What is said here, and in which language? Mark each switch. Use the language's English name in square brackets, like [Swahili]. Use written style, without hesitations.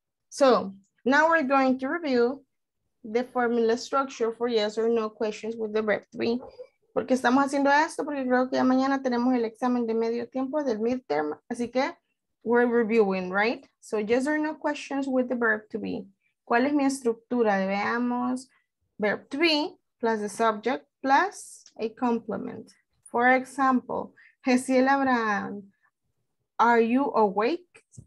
[English] So now we're going to review the formula structure for yes or no questions with the verb to be. [Spanish] Porque estamos haciendo esto porque creo que ya mañana tenemos el examen de medio tiempo del midterm. Así que [English] we're reviewing, right? So yes or no questions with the verb to be. [Spanish] ¿Cuál es mi estructura? Veamos. [English] Verb to be plus the subject plus a complement. For example, Jeziel Abraham, are you awake?